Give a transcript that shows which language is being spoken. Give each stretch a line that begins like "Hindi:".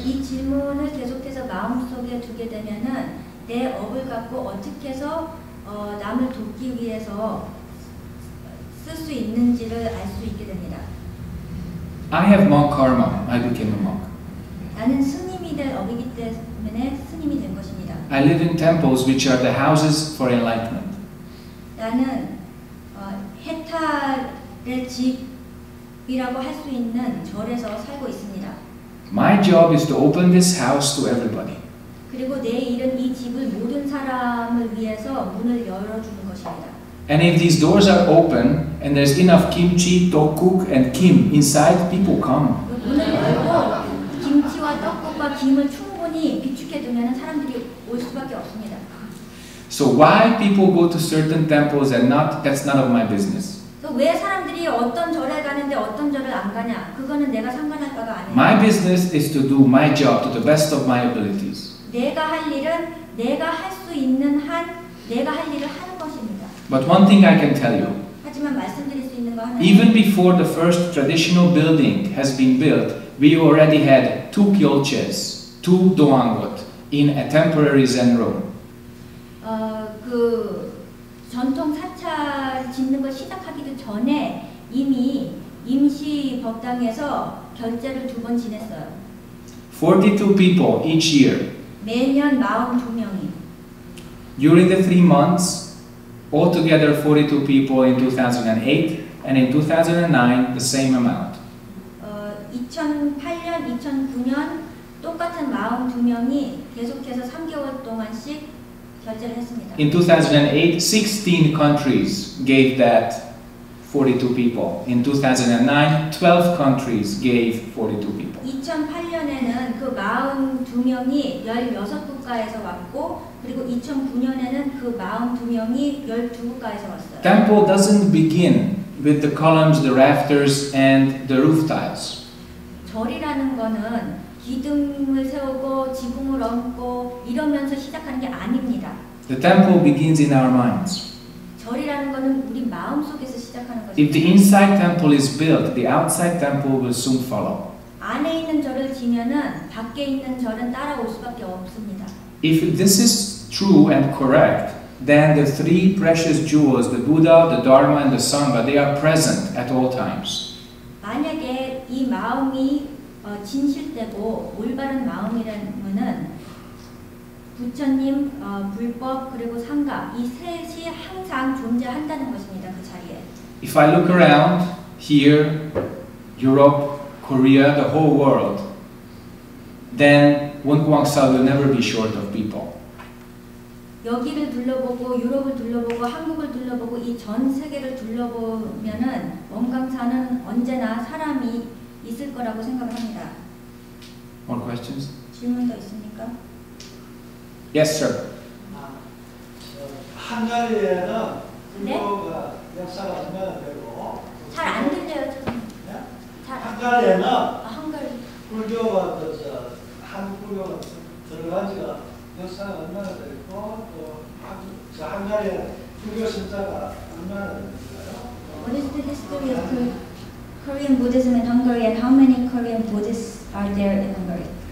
Korean: 이 질문을 계속해서 마음속에 두게 되면은 내 업을 갖고 어떻게 해서 남을 돕기 위해서 쓸 수 있는지를 알 수 있게 됩니다.
English: I have monk karma. I became a monk.
Korean: 나는 스님이 될 업이기 때문에 스님이 된 것입니다.
English: I live in temples which are the houses for enlightenment.
Korean: 나는 해탈의 집이라고 할 수 있는 절에서 살고 있습니다.
English: My job is to open this house to everybody.
Korean: 그리고 내 일은 이 집을 모든 사람을 위해서 문을 열어주는 것입니다.
English: And if these doors are open and there's enough kimchi, tteokguk and kim inside, people come.
Korean: 문을 열고 김치와 떡국과 김을 충분히 비축해 두면 사람들이 올 수밖에 없습니다.
English: So why people go to certain temples and not? That's none of my business.
Korean: 왜 사람들이 어떤 절에 가는데 어떤 절을 안 가냐? 그거는 내가 상관할 바가 아니야.
English: My business is to do my job to the best of my abilities.
Korean: 내가 할 일은 내가 할 수 있는 한 내가 할 일을 하는 것입니다.
English: But one thing I can tell you.
Korean: 하지만 말씀드릴 수 있는 거 하나.
English: Even before the first traditional building has been built, we already had two gyolches, two doangot in a temporary Zen room.
Korean: 그 전통 사찰 짓는 걸 시작하기도 전에 이미 임시 법당에서 결제를 두 번 지냈어요.
English: 42 people each year.
Korean: 매년 42명이.
English: During the 3 months, altogether 42 people in 2008 and in 2009 the same amount.
Korean: 2008년, 2009년 똑같은 42명이 계속해서 3개월 동안씩
English: In 2008, 16 countries gave that 42 people. In 2009, 12 countries gave 42 people.
Korean: 2008년에는 그 42명이 16국가에서 왔고, 그리고 2009년에는 그 42명이 12국가에서 왔어요.
English: Temple doesn't begin with the columns, the rafters, and the roof tiles.
Korean: 절이라는 거는 기둥을 세우고 지붕을 얹고 이러면서 시작하는 게 아닙니다.
English: The temple begins in our minds.
Korean: 절이라는 거는 우리 마음속에서 시작하는 거죠.
English: If the inside temple is built, the outside temple will soon follow.
Korean: 안에 있는 절을 지면은 밖에 있는 절은 따라올 수밖에 없습니다.
English: If this is true and correct, then the three precious jewels, the Buddha, the Dharma and the Sangha, they are present at all times.
Korean: 만약에 이 마음이 진실되고 올바른 마음이라면은 부처님, 불법 그리고 상가 이 셋이 항상 존재한다는 것입니다. 그 자리에.
English: If I look around here, Europe, Korea, the whole world, then Wonkwangsa will never be short of people.
Korean: 여기를 둘러보고 유럽을 둘러보고 한국을 둘러보고 이 전 세계를 둘러보면은 원광사는 언제나 사람이 있을 거라고 생각합니다.
English: More questions?
Korean: 질문 더 있습니까?
English: Yes, sir.
Korean: 한가리에는 불법 역사가 얼마나 되고 잘 안 들려요, 저는. 한가리에는 한가리 불교가 한국 불교가 들어간 지가 역사가 얼마나 되고 또 한가리에 불교 신자가 얼마나 되는가요?
English: What is the history of Korean Buddhism in Hungary and how many Korean Buddhists are there in Hungary?